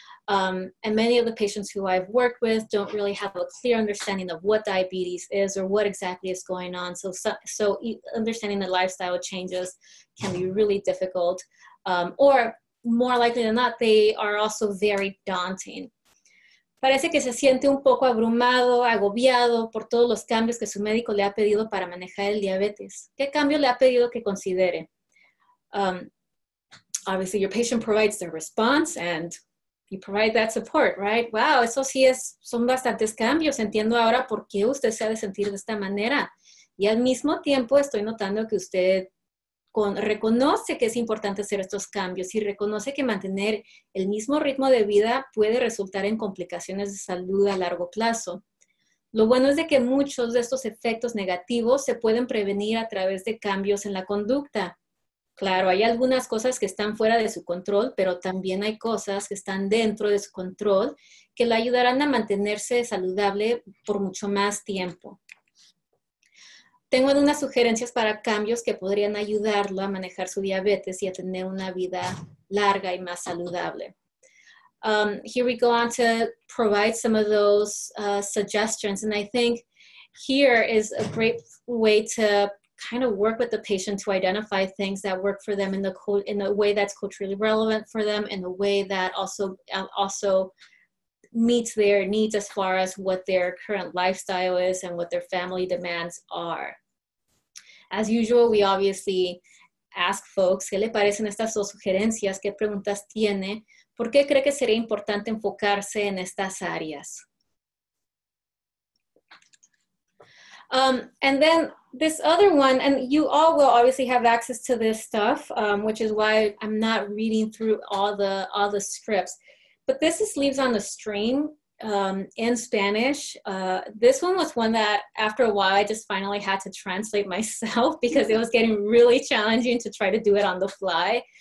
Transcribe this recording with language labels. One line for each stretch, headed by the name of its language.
English: And many of the patients who I've worked with don't really have a clear understanding of what diabetes is or what exactly is going on. So understanding the lifestyle changes can be really difficult. Or more likely than not, they are also very daunting.
Spanish: Parece que se siente un poco abrumado, agobiado por todos los cambios que su médico le ha pedido para manejar el diabetes. ¿Qué cambio le ha pedido que considere?
English: Obviously, your patient provides their response and you provide that support, right?
Spanish: Wow, eso sí es, son bastantes cambios. Entiendo ahora por qué usted se ha de sentir de esta manera. Y al mismo tiempo estoy notando que usted reconoce que es importante hacer estos cambios y reconoce que mantener el mismo ritmo de vida puede resultar en complicaciones de salud a largo plazo. Lo bueno es de que muchos de estos efectos negativos se pueden prevenir a través de cambios en la conducta. Claro, hay algunas cosas que están fuera de su control, pero también hay cosas que están dentro de su control que le ayudarán a mantenerse saludable por mucho más tiempo. Tengo algunas sugerencias para cambios que podrían ayudarlo a manejar su diabetes y a tener una vida larga y más saludable.
English: Here we go on to provide some of those suggestions. And I think here is a great way to kind of work with the patient to identify things that work for them in the way that's culturally relevant for them, in the way that also meets their needs as far as what their current lifestyle is and what their family demands are. As usual, we obviously ask folks,
Spanish: ¿qué le parecen estas dos sugerencias? ¿Qué preguntas tiene? ¿Por qué cree que sería importante enfocarse en estas áreas?
English: And then this other one, and you all will obviously have access to this stuff, which is why I'm not reading through all the scripts. But this is Leaves on the Stream in Spanish. This one was one that after a while I just finally had to translate myself because it was getting really challenging to try to do it on the fly.